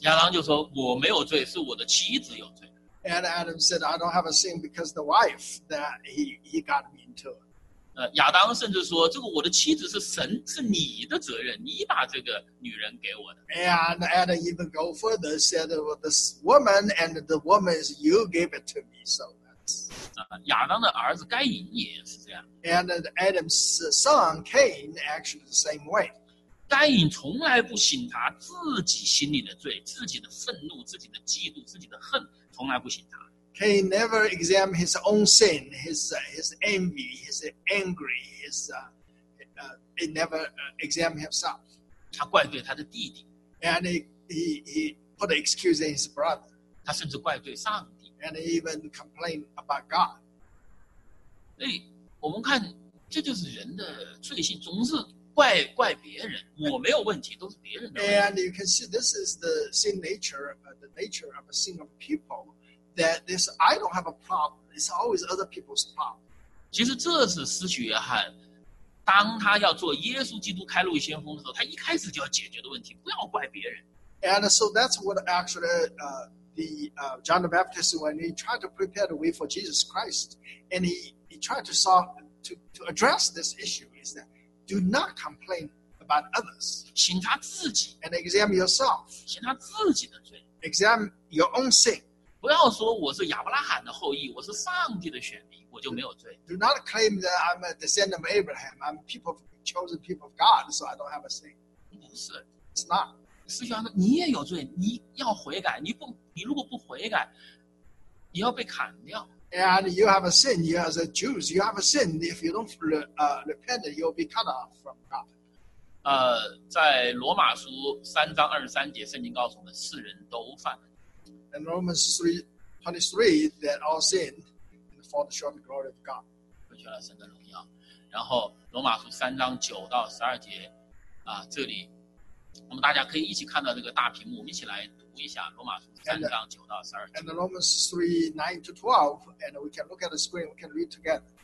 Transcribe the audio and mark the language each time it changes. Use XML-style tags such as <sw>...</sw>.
<zh>亚当就说我没有罪，是我的妻子有罪。</zh> <en>And Adam said, I don't have a sin because the wife that he got me into.</en> <zh>亚当甚至说这个我的妻子是神是你的责任，你把这个女人给我的。</zh> <en>And Adam even go further said, well, this woman and the woman is you gave it to me, so that's</en> <zh>亚当的儿子该隐也是这样。</zh> <en>And Adam's son Cain actually the same way.</en> <zh>该隐从来不省察自己心里的罪，自己的愤怒，自己的嫉妒，自己的恨，从来不省察。</zh> <en>He never examined his own sin, his envy, his anger, he never examined himself.</en> <zh>他怪罪他的弟弟。</zh> <en>And he put an excuse in his brother.</en> <zh>他甚至怪罪上帝。</zh> <en>And he even complained about God.</en> <zh>所以我们看，这就是人的罪性，总是怪别人。我没有问题，都是别人的问题。</zh> <en>And you can see this is the sin nature, the nature of a sin of people. That this, I don't have a problem. It's always other people's problem.</en> <zh>其实这是施洗约翰，当他要做耶稣基督开路先锋的时候，他一开始就要解决的问题，不要怪别人。</zh> <en>And so that's what actually John the Baptist when he tried to prepare the way for Jesus Christ, and he tried to address this issue is that do not complain about. about others.</en> <zh>省察自己。</zh> <en>And examine yourself.</en> <zh>省察自己的罪。</zh> <en>Examine your own sin.</en> <zh>不要说我是亚伯拉罕的后裔，我是上帝的选民，我就没有罪。</zh> <en>Do not claim that I'm a descendant of Abraham. I'm chosen people of God, so I don't have a sin.</en> <zh>不是。</zh> <en>It's not.</en> <zh>师兄说：“你也有罪，你要悔改。你如果不悔改，你要被砍掉。</zh> <en>And you have a sin. You as a Jews, you have a sin. If you don't repent, you'll be cut off from God.”</en> <zh>在罗马书三章二十三节，圣经告诉我们，世人都犯了。</zh> <en>In Romans 3:23, that all sin and fall short of the glory of God.</en> <zh>失去了神的荣耀。然后罗马书三章九到十二节，这里。我们大家可以一起看到这个大屏幕，我们一起来读一下罗马书三章九到十二节。</zh> <en>And the Romans 3:9-12, and we can look at the screen, we can read together.</en>